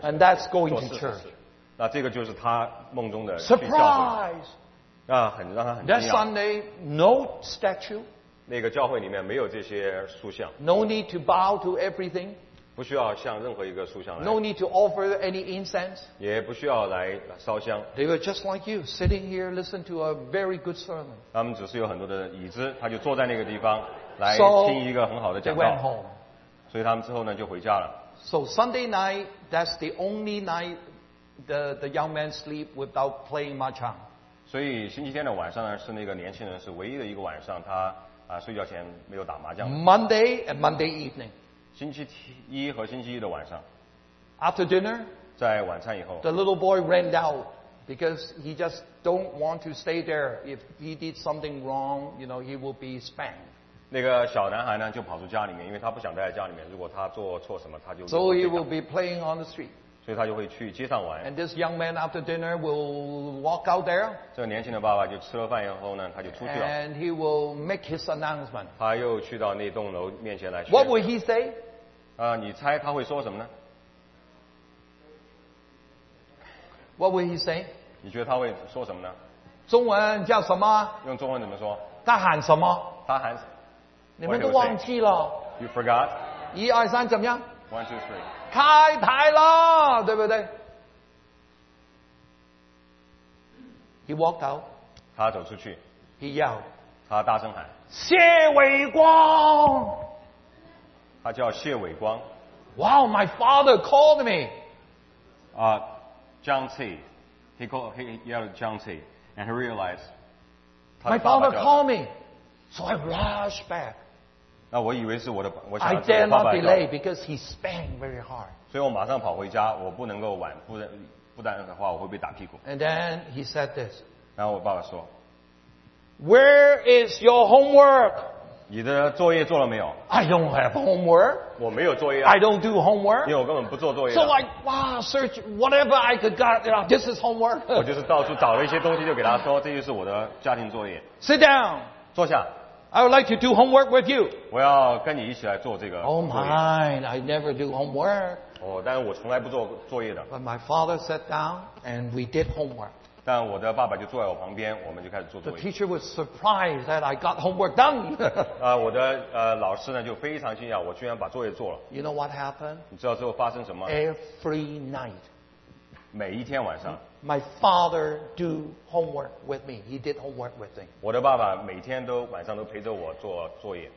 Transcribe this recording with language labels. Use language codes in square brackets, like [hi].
[en] And that's going to church。 [zh] 那这个就是他梦中的 [en] surprise。 [zh] 那很让他很惊讶。 [en] That Sunday no statue。 [zh] 那个教会里面没有这些塑像。 [en] No need to bow to everything。 [zh] 不需要向任何一个塑像来。 [en] No need to offer any incense。 [zh] 也不需要来烧香。 [en] They were just like you, sitting here listening to a very good sermon。 [zh] 他们只是有很多的椅子，他就坐在那个地方来听一个很好的讲道。 [en] So they went home。 [zh] 所以他们之后呢就回家了。 [en] So Sunday night, that's the only night the young man sleep without playing mahjong。 [zh] 所以星期天的晚上呢，是那个年轻人是唯一的一个晚上他。睡觉前没有打麻将。 [en] Monday and Monday evening， [zh] 星期一和星期一的晚上。 [en] After dinner， [zh] 在晚餐以后。 [en] The little boy ran out because he just don't want to stay there. If he did something wrong, you know, he will be spanked. [zh] 那个小男孩呢，就跑出家里面，因为他不想待在家里面。如果他做错什么，他就。 [en] So he will be playing on the street. [zh] 所以他就会去街上玩。 [en] And this young man after dinner will walk out there. [zh] 这个年轻的爸爸就吃了饭以后呢，他就出去了。 [en] And he will make his announcement. [zh] 他又去到那栋楼面前来。 [en] What will he say? [zh] 你猜他会说什么呢？ [en] What will he say? [zh] 你觉得他会说什么呢？中文叫什么？用中文怎么说？他喊什么？他喊什么？你们都忘记了。 [en] You forgot. [zh] 一二三，怎么样？ [en] One, two, three. [zh] 开台了，对不对？ [en] He walked out. [zh] 他走出去。 [en] He yelled. [zh] 他大声喊。谢伟光。他叫谢伟光。 [en] Wow, my father called me. Jiang Qi. He yelled Jiang Qi. And he realized. My father called me. So I rushed back. [zh] 那我以为是我的，我想是我爸爸叫。 [en] I dare not delay because he spanked very hard. [zh] 所以我马上跑回家，我不能够晚，不然的话我会被打屁股。 [en] And then he said this. [zh] 然后我爸爸说 [en] ，Where is your homework? [zh] 你的作业做了没有 [en] ？I don't have homework. [zh] 我没有作业。 [en] I don't do homework. [zh] 因为我根本不做作业。 [en] So I search whatever I could get. You know, this is homework. [zh] 我就是到处找了一些东西，就给他说，这就是我的家庭作业。 [en] Sit down. [zh] 坐下。 [en] I would like to do homework with you. [zh] 我要跟你一起来做这个作业。 [en] Oh my, I never do homework. [zh] 哦，但是我从来不做作业的。 [en] But my father sat down and we did homework. [zh] 但我的爸爸就坐在我旁边，我们就开始做作业。 [en] The teacher was surprised that I got homework done. [zh] 我的老师呢就非常惊讶，我居然把作业做了。 [en] You know what happened? [zh] 你知道之后发生什么 [en] ？Every night. [zh] 每一天晚上。 [en] My father do homework with me. He did homework with me. [zh] 我的爸爸每天都晚上都陪着我做作业。